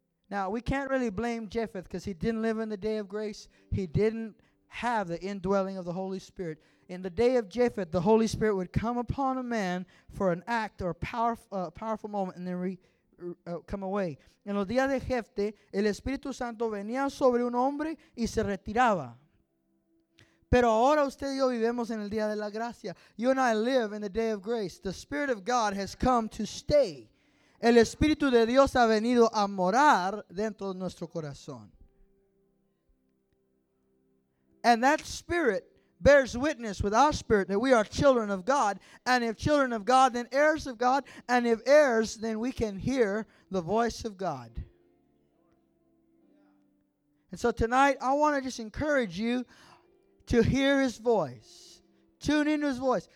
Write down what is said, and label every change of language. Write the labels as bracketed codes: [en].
[en] Now, we can't really blame Jephthah because he didn't live in the day of grace. He didn't have the indwelling of the Holy Spirit. In the day of Jephthah, the Holy Spirit would come upon a man for an act or a powerful moment and then come away. [es] En los días de Jephthah, el Espíritu Santo venía sobre un hombre y se retiraba. Pero ahora usted y yo vivimos en el día de la gracia. [en] You and I live in the day of grace. The Spirit of God has come to stay. [es] El Espíritu de Dios ha venido a morar dentro de nuestro corazón. [en] And that Spirit bears witness with our spirit that we are children of God. And if children of God, then heirs of God. And if heirs, then we can hear the voice of God. And so tonight, I want to just encourage you to hear His voice. Tune into his voice.